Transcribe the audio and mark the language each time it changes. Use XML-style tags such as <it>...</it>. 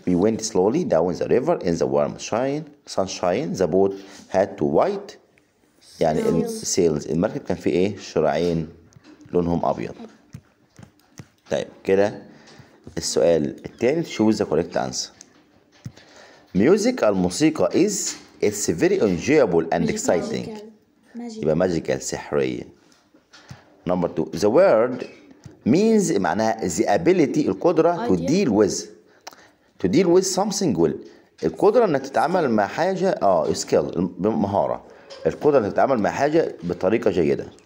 <en>We went slowly down the river in the warm sunshine. The boat had two white يعني sails.</en> <ar>المركب كان فيه ايه؟ شراعين لونهم ابيض. طيب كده السؤال الثاني.</ar> <en>Choose the correct answer. Music الموسيقى is it's very enjoyable and exciting.</en> <ar>يبقى magical سحرية.</ar> <en>Number two, the word means</en> <ar>معناها</ar> <en>the ability</en> <ar>القدرة</ar> <en>to deal with something will</en> <ar>القدرة انك تتعامل مع حاجة skill بمهارة القدرة انك تتعامل مع حاجة بطريقة جيدة.</ar>